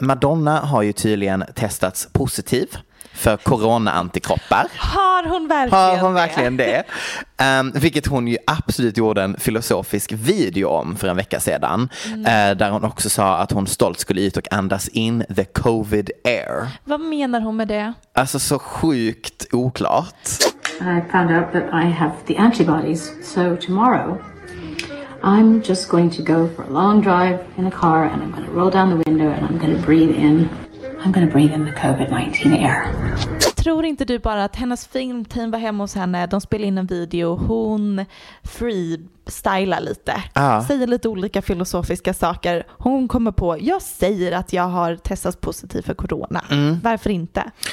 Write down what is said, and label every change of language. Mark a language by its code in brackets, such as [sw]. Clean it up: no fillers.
[sv] Madonna har ju tydligen testats positiv för corona-antikroppar. Har hon verkligen det? Vilket hon ju absolut gjorde en filosofisk video om för en vecka sedan. Där hon också sa att hon stolt skulle ut och andas in [en] the covid air. [sv] Vad menar hon med det? Alltså så sjukt oklart. [en] I found out that I have the antibodies. So tomorrow I'm just going to go for a long drive in a car and I'm going to roll down the window and I'm going to breathe in. I'm gonna breathe in the COVID-19 air. [sv] Tror inte du bara att hennes filmteam var hemma hos henne, de spelade in en video, hon freestylar lite, säger lite olika filosofiska saker, hon kommer på, jag säger att jag har testats positiv för corona, varför inte?